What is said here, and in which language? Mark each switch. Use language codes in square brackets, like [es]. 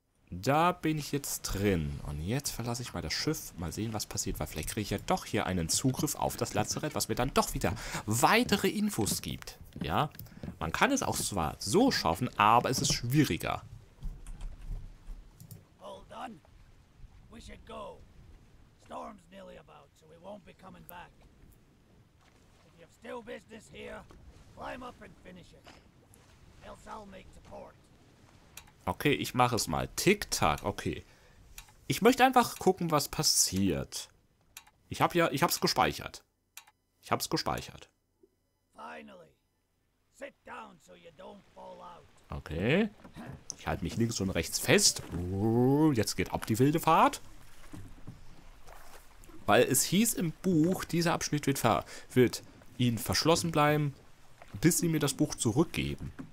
[de] Da bin ich jetzt drin. Und jetzt verlasse ich mal das Schiff. Mal sehen, was passiert. Weil vielleicht kriege ich ja doch hier einen Zugriff auf das Lazarett, was mir dann doch wieder weitere Infos gibt. Ja? Man kann es auch zwar so schaffen, aber es ist schwieriger. [en] Hold on. We should go. Storm's nearly about, so we won't be coming back. If you have still business here, climb up and finish it. Else I'll make to port. [de] Okay, ich mache es mal. Tick-Tack, okay. Ich möchte einfach gucken, was passiert. Ich habe ja, ich habe es gespeichert. Ich habe es gespeichert. [en] Finally. Sit down, so you don't fall out. Okay. [de] Ich halte mich links und rechts fest. Jetzt geht ab die wilde Fahrt. Weil es hieß im Buch, dieser Abschnitt wird Ihnen verschlossen bleiben. bis sie mir das Buch zurückgeben.